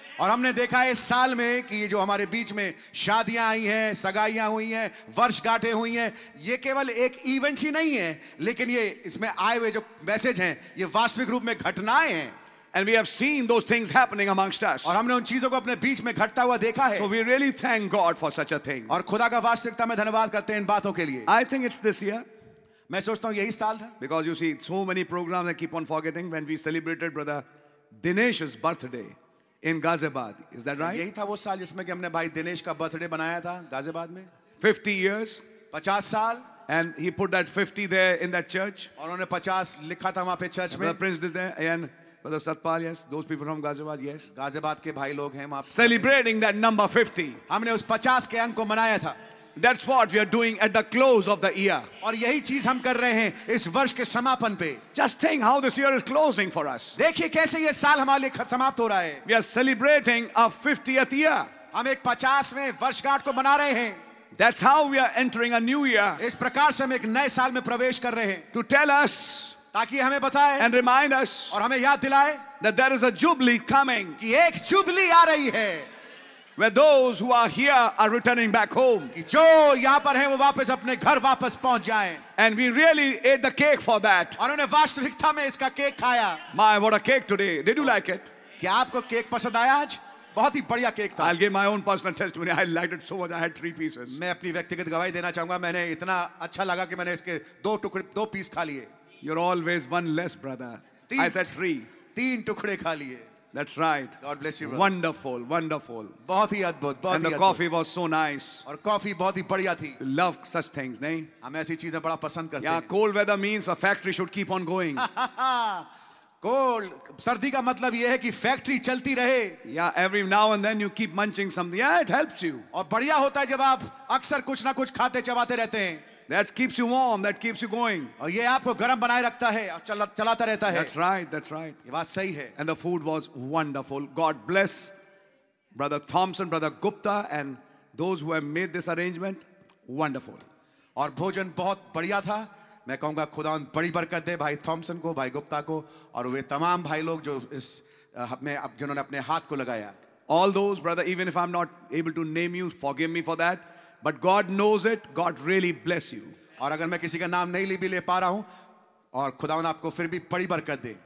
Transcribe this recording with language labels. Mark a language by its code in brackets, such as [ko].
[hi] और हमने देखा इस साल में कि ये जो हमारे बीच में शादियां आई हैं, सगाइयां हुई हैं, वर्षगांठें हुई हैं, ये केवल एक इवेंट ही नहीं है, लेकिन ये इसमें आए हुए जो मैसेज हैं, ये वास्तविक रूप में घटनाएं हैं. [en] And we have seen those things happening amongst us. [hi] और हमने उन चीजों को अपने बीच में घटता हुआ देखा है. [en] So we really thank God for such a thing. [hi] और खुदा का वास्तविकता में धन्यवाद करते हैं इन बातों के लिए. [en] I think it's this year. [hi] मैं सोचता हूँ यही साल था. [en] Because you see, so many programs I keep on forgetting when we celebrated Brother Dinesh's birthday in Ghaziabad. Is that right? [hi] यही था वो साल जिसमें कि हमने भाई दिनेश का बर्थडे बनाया था गाजियाबाद में. [en] 50 years. [hi] 50 साल. [en] And he put that 50 there in that church. [hi] और उन्होंने 50 लिखा था वहाँ पे चर्च में. [en] Brother Prince is there and Brother Satpal, yes. Those people from Ghaziabad, yes. [hi] Ghaziabad ke bhai log hain. [en] Celebrating that number 50. [hi] Humne us 50 ke ank ko manaya tha. [en] That's what we are doing at the close of the year. [hi] Aur yahi cheez hum kar rahe hain is varsh ke samapan pe. [en] Just think how this year is closing for us. [hi] Dekhiye kaise ye saal hamare liye samapt ho raha hai. [en] We are celebrating our 50th year. [hi] Hum ek 50ve varshgaanth ko mana rahe hain. [en] That's how we are entering a new year. [hi] Is prakar se hum ek naye saal mein pravesh kar rahe hain. [en] To tell us [hi] ताकि हमें बताए [en] and remind us [hi] और हमें याद दिलाए [en] that there is a jubilee coming [hi] कि एक jubilee आ रही है [en] where those who are here are returning back home [hi] कि जो यहाँ पर हैं वो वापस अपने घर वापस पहुंच जाएं [en] and we really ate the cake for that [hi] और उन्होंने वास्तविकता में इसका केक खाया [en] my what a cake today did you like it [hi] क्या आपको केक पसंद आया आज बहुत ही बढ़िया केक था [en] I'll give my own personal testimony I liked it so much I had 3 pieces [hi] मैं अपनी व्यक्तिगत गवाही देना चाहूंगा मैंने इतना अच्छा लगा कि मैंने इसके दो पीस खा लिए [en] You're always one less, brother. I said three. [hi] तीन टुकड़े खा लिए. [en] That's right. God bless you, brother. Wonderful, wonderful. [hi] बहुत ही अद्भुत, बहुत ही अद्भुत. [en] And the coffee was so nice. [hi] और कॉफी बहुत ही बढ़िया थी. [en] Love such things, [hi] नहीं? हम ऐसी चीजें बड़ा पसंद करते हैं. [en] Yeah, cold weather means the factory should keep on going. Cold. [hi] सर्दी का मतलब ये है कि फैक्ट्री चलती रहे. [en] Yeah, every now and then you keep munching something. Yeah, it helps you. [hi] और बढ़िया होता है जब आप अक्सर कुछ ना कुछ खाते चबाते रहते हैं. [en] That keeps you warm. That keeps you going. [hi] और ये आपको गर्म बनाए रखता है और चलाता रहता है. [en] That's right. That's right. [hi] ये बात सही है. [en] And the food was wonderful. God bless Brother Thompson, Brother Gupta, and those who have made this arrangement. Wonderful. [hi] और भोजन बहुत बढ़िया था. मैं कहूँगा खुदा उन बड़ी बरकत दे भाई थॉमसन को, भाई गुप्ता को, और वे तमाम भाई लोग जो इस में अब जिन्होंने अपने हाथ को लगाया. [en] All those, brother, even if I'm not able to name you, forgive me for that. But God knows it. God really bless you. [hi] और अगर मैं किसी का नाम नहीं ले भी ले पा रहा हूँ, और खुदावन आपको फिर भी बड़ी बरकत दे.